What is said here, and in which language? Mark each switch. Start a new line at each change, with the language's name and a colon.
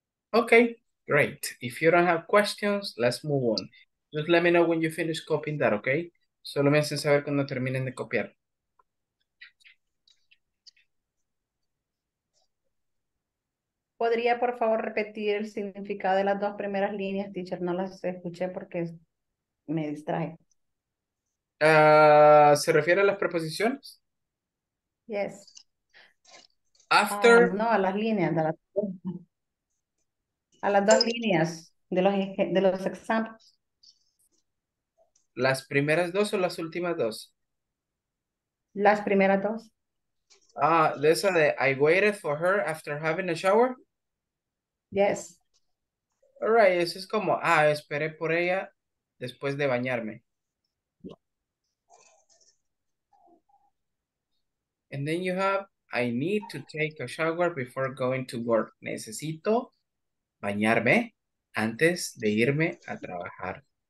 English: Okay, great. If you don't have questions, let's move on. Just let me know when you finish copying that, okay?
Spanish: Solo me hacen saber cuando terminen de copiar. ¿Podría, por favor, repetir el significado de las dos primeras líneas, teacher? No las escuché porque me distraje. ¿Se refiere a las preposiciones?
English: Yes. After.
Spanish: No, a las líneas. A las dos líneas de los examples. ¿Las primeras dos o las últimas dos? Las primeras dos. Ah, de esa de
English: I waited for her after having a shower. Yes. All right,
Spanish: eso es como, ah, esperé por ella después de bañarme.
English: And then you have, I need to take a shower before going to work.
Spanish: Necesito bañarme antes de irme a trabajar.